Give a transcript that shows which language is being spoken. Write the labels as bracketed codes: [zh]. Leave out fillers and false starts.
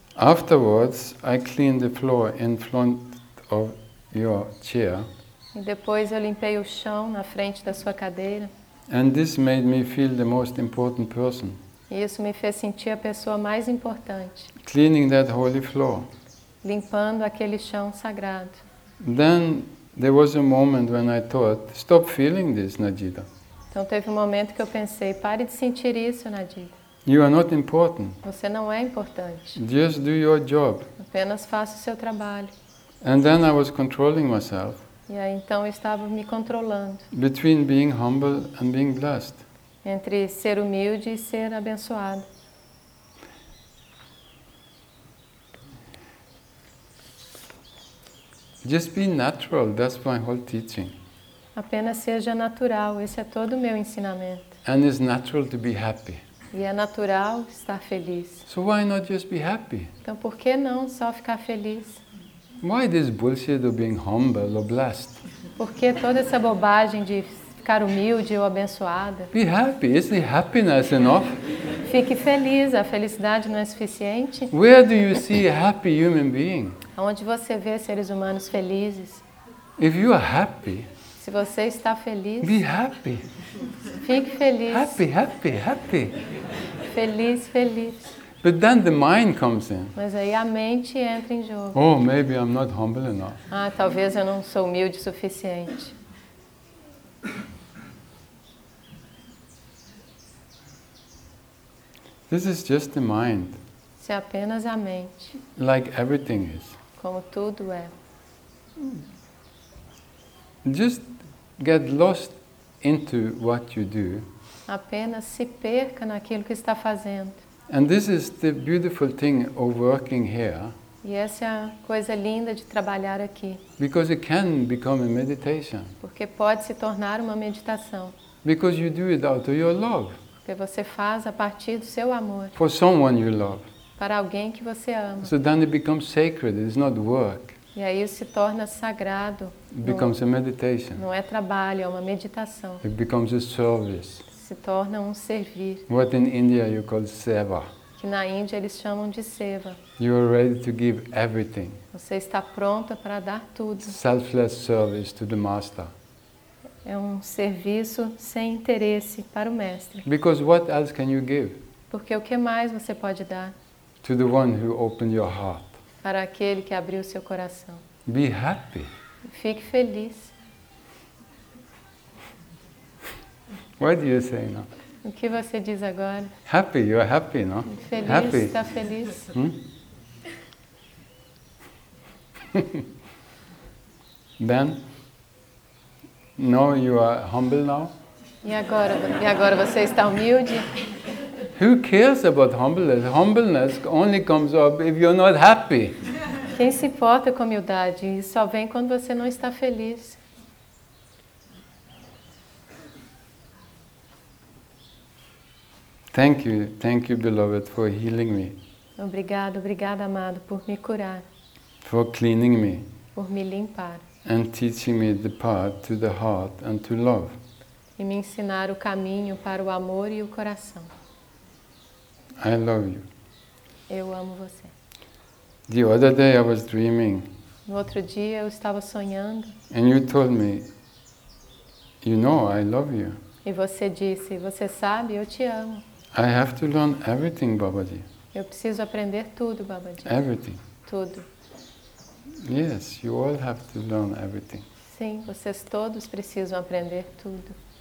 [en] Afterwards, I cleaned the floor in front of your chair. [pt] E depois eu limpei o chão na frente da sua cadeira. [en] And this made me feel the most important person. [pt] Isso me fez sentir a pessoa mais importante. [en] Cleaning that holy floor. [pt] Limpando aquele chão sagrado. [en] Then there was a moment when I thought, stop feeling this, Nadida. [pt] Então teve um momento que eu pensei, pare de sentir isso, Nadida. [en] You are not important. [pt] Você não é importante. [en] Just do your job. [pt] Apenas faça o seu trabalho. [en] And then I was controlling myself. [pt] E aí então eu estava me controlando. [en] Between being humble and being blessed. [pt] Entre ser humilde e ser abençoado. [en] Just be natural, that's my whole teaching. [pt] Apenas seja natural, esse é todo o meu ensinamento. [en] And it's natural to be happy. [pt] E é natural estar feliz. [en] So why not just be happy? [pt] Então por que não só ficar feliz? [en] Why this bullshit of being humble or blessed? [pt] Por que toda essa bobagem de ficar humilde ou abençoada? [en] Be happy, is the happiness enough? [pt] Fique feliz, a felicidade não é suficiente? [en] Where do you see a happy human being? [pt] Onde você vê seres humanos felizes? [en] If you are happy, [pt] se você está feliz, [en] be happy. [pt] Fique feliz. [en] Happy, happy, happy. [pt] Feliz, feliz. [en] But then the mind comes in. [pt] Mas aí a mente entra em jogo. [en] Oh, maybe I'm not humble enough. [pt] Ah, talvez eu não sou humilde o suficiente. [en] This is just the mind. [pt] Isso é apenas a mente. [en] Like everything is. [pt] Como tudo é. [en] Just get lost into what you do. [pt] Apenas se perca naquilo que está fazendo. [en] And this is the beautiful thing of working here. [pt] E essa é a coisa linda de trabalhar aqui. [en] Because it can become a meditation. [pt] Porque pode se tornar uma meditação. [en] Because you do it out of your love. [pt] Porque você faz a partir do seu amor. [en] For someone you love. [pt] Para alguém que você ama. [en] So then it becomes sacred, it's not work. [pt] E aí se torna sagrado. [en] It becomes a meditation. [pt] Não é trabalho, é uma meditação. [en] It becomes a service. [pt] Se torna um servir. [en] What in India you call seva. [pt] Que na Índia eles chamam de seva. [en] You are ready to give everything. [pt] Você está pronta para dar tudo. [en] Selfless service to the master. [pt] É um serviço sem interesse para o mestre. [en] Because what else can you give? [pt] Porque o que mais você pode dar? [en] To the one who opened your heart. [pt] Para aquele que abriu seu coração. [en] Be happy. [pt] Fique feliz. [en] What do you say now? [pt] O que você diz agora? [en] Happy, you are happy, no? [pt] Feliz, [en] happy. [pt] Está feliz. Hmm? [en] Then, now you are humble now? [pt] E agora você está humilde? [en] Who cares about humbleness? Humbleness only comes up if you're not happy. [pt] Quem se importa com humildade? Isso só vem quando você não está feliz. [en] Thank you, beloved, for healing me. [pt] Obrigado, obrigado, amado, por me curar. [en] For cleaning me. [pt] Por me limpar. [en] And teaching me the path to the heart and to love. [pt] e me ensinar o caminho para o amor e o coração. [en] I love you. [pt] Eu amo você. [en] The other day I was dreaming. [pt] No outro dia eu estava sonhando. [en] And you told me, you know, I love you. [pt] E você disse, você sabe, eu te amo. [en] I have to learn everything, Babaji. [pt] Eu preciso aprender tudo, Babaji. [en] Everything. [pt] Tudo. [en] Yes, you all have to learn everything. [pt] Sim, vocês todos precisam aprender tudo.